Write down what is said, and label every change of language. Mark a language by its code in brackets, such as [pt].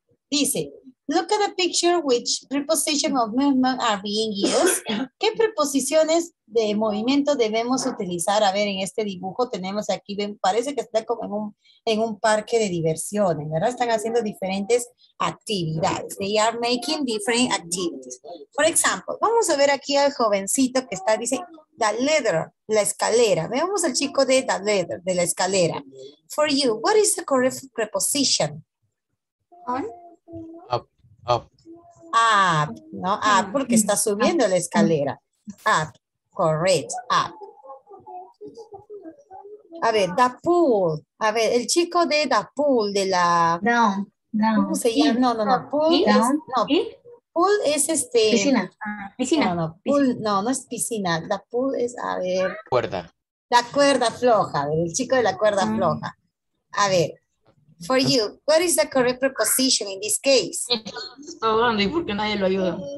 [en] Dice, look at the picture which preposition of movement are being used. [es] ¿Qué preposiciones de movimiento debemos utilizar? A ver, en este dibujo tenemos aquí, parece que está como en un parque de diversiones, ¿verdad? Están haciendo diferentes actividades. [en] They are making different activities. For example, [es] vamos a ver aquí al jovencito que está, dice, the ladder, la escalera. Veamos al chico de the ladder, de la escalera. [en] For you, what is the correct preposition? On? Up. [es] Up, ¿no? Up, porque está subiendo la escalera. [en] Up, correct, up. [es] A ver, the pool. A ver, el chico de the pool, de la... No. ¿Cómo se llama? Sí. No. Pool, sí. Es, no. Sí. Pool es este... Piscina. No, pool, piscina. No es piscina. The pool es, a ver... Cuerda. La cuerda floja, el chico de la cuerda floja. A ver... [en] For you, what is the correct preposition in this case? [es] Está grande, ¿y por qué nadie lo ayuda?